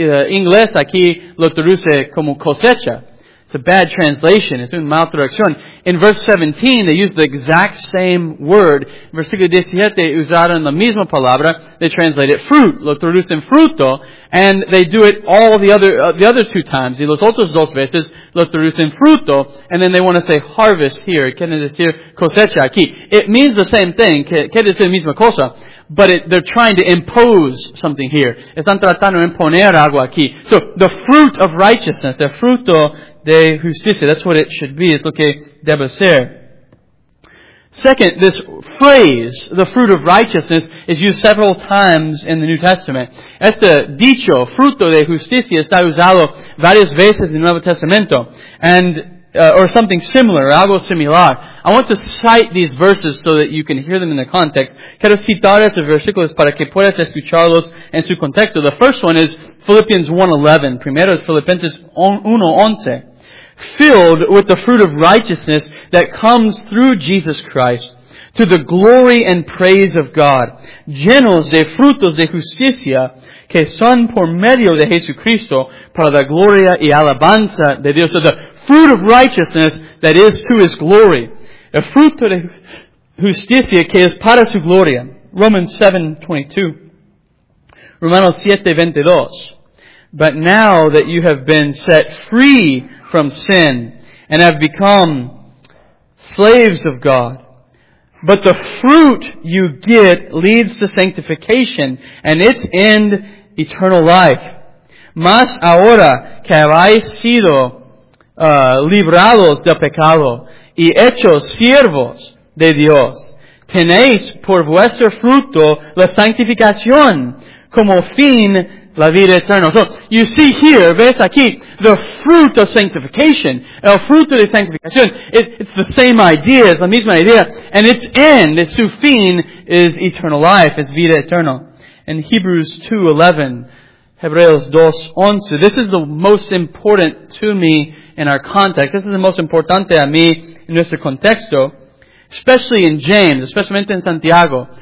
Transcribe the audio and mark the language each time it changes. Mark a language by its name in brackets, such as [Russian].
[Spanish] Inglés aquí lo traduce como cosecha. [English] It's a bad translation. It's [Spanish] una mal traducción. [English] In verse 17, they use the exact same word. [Spanish] In versículo 17, usaron la misma palabra. [English] They translate it fruit. [Spanish] Lo traducen fruto. [English] And they do it all the other 2 times. [Spanish] Y los otros 2 veces lo traducen fruto. [English] And then they want to say harvest here. [Spanish] Quieren decir cosecha aquí. [English] It means the same thing. [Spanish] Quiere decir la misma cosa. [English] But they're trying to impose something here. [Spanish] Están tratando de imponer algo aquí. [English] So, the fruit of righteousness, [Spanish] el fruto de justicia, [English] that's what it should be. [Spanish] Es lo que debe ser. [English] Second, this phrase, the fruit of righteousness, is used several times in the New Testament. [Spanish] Este dicho, fruto de justicia, está usado varias veces en el Nuevo Testamento. [English] Or something similar, [Spanish] algo similar. [English] I want to cite these verses so that you can hear them in the context. [Spanish] Quiero citar estos versículos para que puedas escucharlos en su contexto. [English] The first one is Philippians 1:11. [Spanish] Primero es Filipenses 1:11. [English] Filled with the fruit of righteousness that comes through Jesus Christ to the glory and praise of God. [Spanish] Llenos de frutos de justicia que son por medio de Jesucristo para la gloria y alabanza de Dios. [English] So the fruit of righteousness that is to His glory. [Spanish] El fruto de justicia que es para su gloria. [English] Romans 7:22. [Spanish] Romanos 7:22. [English] But now that you have been set free from sin and have become slaves of God, but the fruit you get leads to sanctification and its end eternal life. [Spanish] Mas ahora que habéis sido librados del pecado y hechos siervos de Dios, tenéis por vuestro fruto la santificación, como fin la vida eterna. [English] So, you see here, [Spanish] ves aquí, [English] the fruit of sanctification. [Spanish] El fruto de sanctificación. [English] It's the same idea, it's the [Spanish] misma idea. [English] And its end, its [Spanish] su fin, [English] is eternal life, is [Spanish] vida eterna. [English] In Hebrews 2:11, [Spanish] Hebreos 2:11, [English] this is the most important to me in our context. This is the most [Spanish] importante a mí en nuestro contexto. [English] Especially in James, especially in Santiago.